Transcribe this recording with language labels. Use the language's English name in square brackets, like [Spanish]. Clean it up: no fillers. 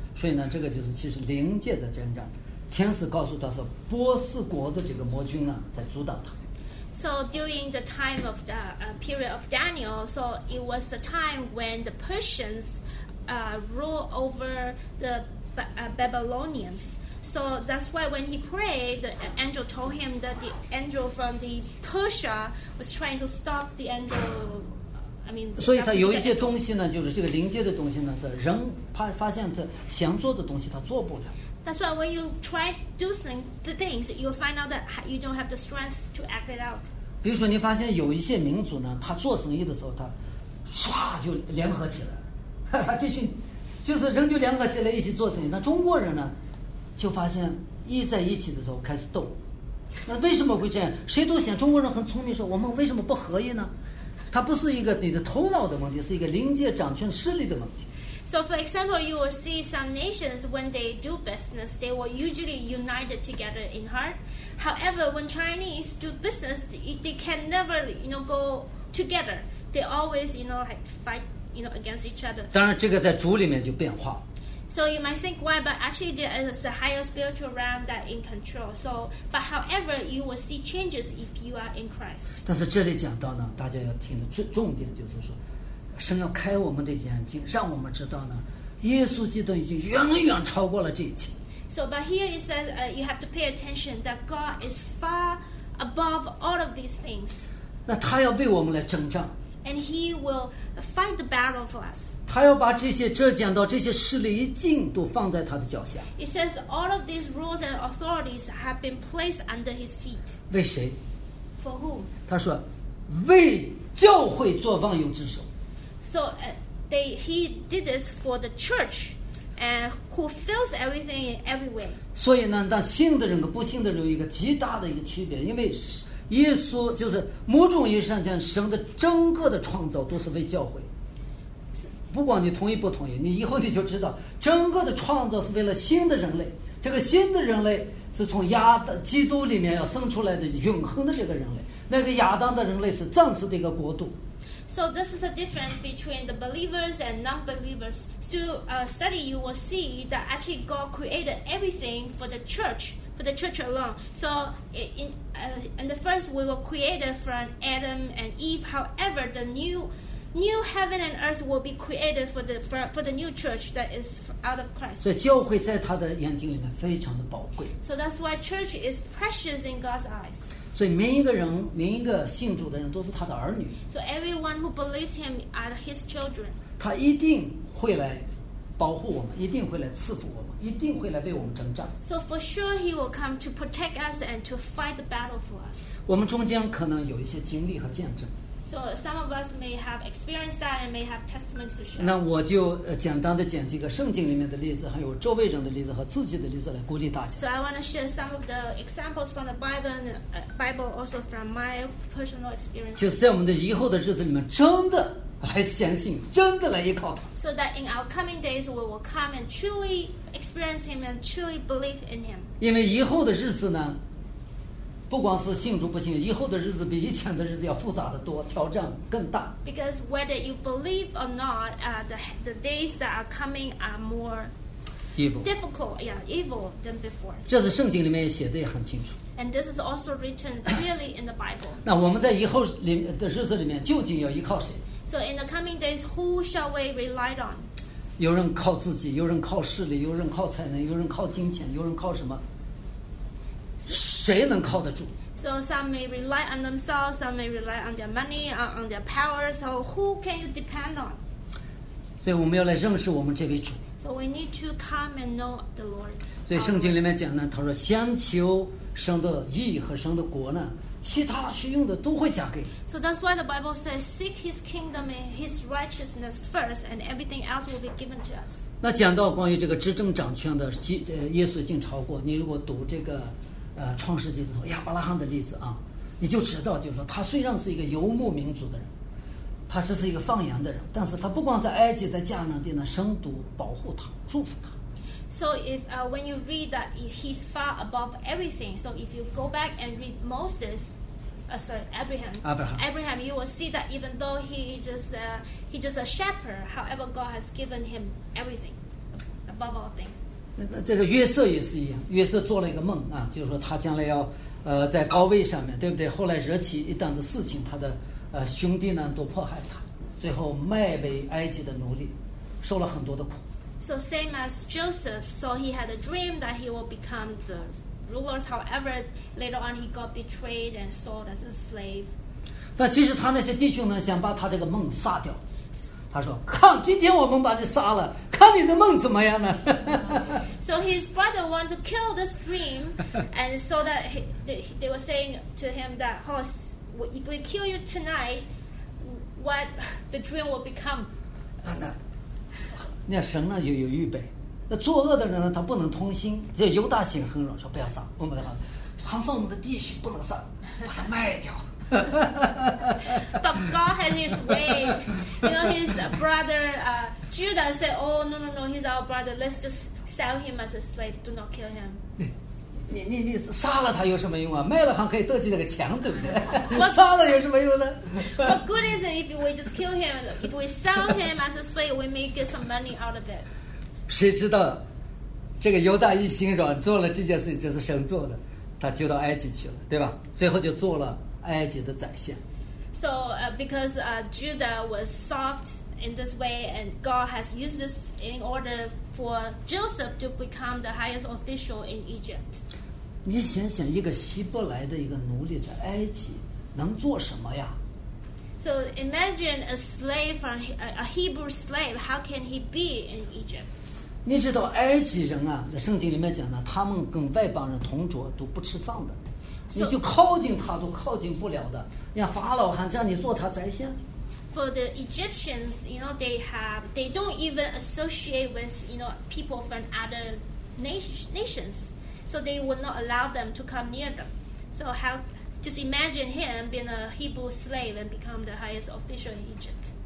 [Chinese] 所以呢，这个就是其实灵界在征战，天使告诉他说，波斯国的这个魔君呢在阻挡他。 [English] So during the time of the period of Daniel, so it was the time when the Persians rule over the Babylonians. So that's why when he prayed, the angel told him that the angel from the Persia was trying to stop the angel. [Chinese] 所以他有一些东西呢，就是这个灵界的东西呢，是人发现他想做的东西他做不了。 [English] That's why when you try doing the things, you'll find out that you don't have the strength to act it out. [Chinese] 比如说，你发现有一些民族呢，他做生意的时候，他唰就联合起来，地区就是人就联合起来一起做生意。那中国人呢，就发现一在一起的时候开始斗，那为什么会这样？谁都想中国人很聪明，说我们为什么不合一呢？它不是一个你的头脑的问题，是一个灵界掌权势力的问题。 [English] So for example, you will see some nations when they do business, they were usually united together in heart. However, when Chinese do business, they can never, you know, go together. They always, you know, fight, you know, against each other. [Chinese] 当然这个在主里面就变化。 [English] So you might think why, but actually there is a higher spiritual realm that in control. So, but however, you will see changes if you are in Christ. [Chinese] 但是这里讲到呢，大家要听的最重点就是说，神要开我们的眼睛，让我们知道呢，耶稣基督已经远远超过了这一切。 [English] So, but here it says, you have to pay attention that God is far above all of these things. [Chinese] 那他要为我们来征战。 [English] And He will fight the battle for us. [Chinese] 他要把这些遮剪到这些势力一进都放在他的脚下。 [English] It says all of these rules and authorities have been placed under His feet. [Chinese] 为谁 [English] ？For whom？ [Chinese] 他说，为教会做万有之首。 [English] So, He did this for the church, and who fills everything in every way. [Chinese] 所以呢，但信的人和不信的人有一个极大的一个区别，因为。耶稣就是某种意义上讲，神的整个的创造都是为教会。不管你同意不同意，你以后你就知道，整个的创造是为了新的人类。这个新的人类是从亚当基督里面要生出来的永恒的这个人类。那个亚当的人类是暂时的一个国度。 [English] So this is the difference between the believers and non-believers. Through a study, you will see that actually God created everything for the church. For the church alone. So in the first we were created from Adam and Eve. However, the new heaven and earth will be created for the new church that is out of Christ. [Chinese] 所以教会在他的眼睛里面非常的宝贵。 [English] So that's why church is precious in God's eyes. [Chinese] 所以每一个人，每一个信主的人都是他的儿女。 [English] So everyone who believes him are his children. [Chinese] 他一定会来保护我们，一定会来赐福我们。一定会来为我们征战。 [English] So for sure he will come to protect us and to fight the battle for us. [Chinese] 我们中间可能有一些经历和见证。 [English] So some of us may have experienced that and may have testimony to share. [Chinese] 那我就简单的讲几个圣经里面的例子，还有周围人的例子和自己的例子来鼓励大家。 [English] So I want to share some of the examples from the Bible and Bible also from my personal experience. [Chinese] 就是在我们的以后的日子里面，真的来相信，真的来依靠他。 [English] So that in our coming days we will come and truly experience him and truly believe in him. [Chinese] 因为以后的日子呢，不光是信主不信，以后的日子比以前的日子要复杂的多，挑战更大。 [English] Because whether you believe or not, the days that are coming are more evil. Difficult, yeah, evil than before. [Chinese] 这是圣经里面写的也很清楚。 [English] And this is also written clearly in the Bible. [Chinese] 那我们在以后的日子里面究竟要依靠谁？ [English] So in the coming days, who shall we rely on? [Chinese] 有人靠自己，有人靠势力，有人靠才能，有人靠金钱，有人靠什么？谁能靠得住？ [English] So some may rely on themselves, some may rely on their money, on their power. So who can you depend on? [Chinese] 所以我们要来认识我们这位主。 [English] So we need to come and know the Lord. [Chinese] 所以圣经里面讲呢，他说先求神的义和神的国呢。其他需用的都会加给。 [English] So that's why the Bible says, "Seek His kingdom and His righteousness first, and everything else will be given to us." [Chinese] 那讲到关于这个执政掌权的，耶稣已经超过。你如果读这个，创世纪的亚伯拉罕的例子啊，你就知道，就是说他虽然是一个游牧民族的人，他只是一个放羊的人，但是他不光在埃及，在迦南地呢，神都保护他，祝福他。 [English] So if when you read that he's far above everything, so if you go back and read Moses, Abraham, you will see that even though he just a shepherd, however God has given him everything above all things. [Chinese] 那这个约瑟也是一样，约瑟做了一个梦啊，就是说他将来要在高位上面，对不对？后来惹起一档子事情，他的兄弟呢都迫害他，最后卖为埃及的奴隶，受了很多的苦。 [English] So same as Joseph, so he had a dream that he will become the ruler. However, later on he got betrayed and sold as a slave. [Chinese] 但其实他那些弟兄呢，想把他这个梦杀掉。他说：“看，今天我们把你杀了，看你的梦怎么样呢？” [English] So his brother wanted to kill this dream, and so that they were saying to him that, "Oh, if we kill you tonight, what the dream will become?" [Chinese] 那神呢就有预备，那作恶的人呢他不能通心，这犹大心很软，说不要杀，我们的房子，杭上我们的地区不能杀，把它卖掉。 [English] But God has His way, you know. His brother Judah said, "Oh no no no, he's our brother. Let's just sell him as a slave. Do not kill him." [Chinese] 你杀了他有什么用啊？卖了还可以得到那个钱，对不对？杀了有什么用呢？ [English] What good is it if we just kill him? If we sell him as a slave, we may get some money out of it. [Chinese] 谁知道这个犹大一心软，做了这件事情就是神做的，他就到埃及去了，对吧？最后就做了埃及的宰相。 [English] So Judah was soft in this way, and God has used this in order for Joseph to become the highest official in Egypt. [Chinese] 你想想，一个希伯来的一个奴隶在埃及能做什么呀 [English] ？So imagine a slave, a Hebrew slave. How can he be in Egypt? [Chinese] 你知道埃及人啊，在圣经里面讲呢，他们跟外邦人同桌都不吃饭的。 [English] So, [Chinese] 你就靠近他都靠近不了的，让法老还让你做他宰相。 [English] For the Egyptians, you know, they don't even associate with, you know, people from other nations, so they would not allow them to come near them. So how, just imagine him being a Hebrew slave and become the highest official in Egypt.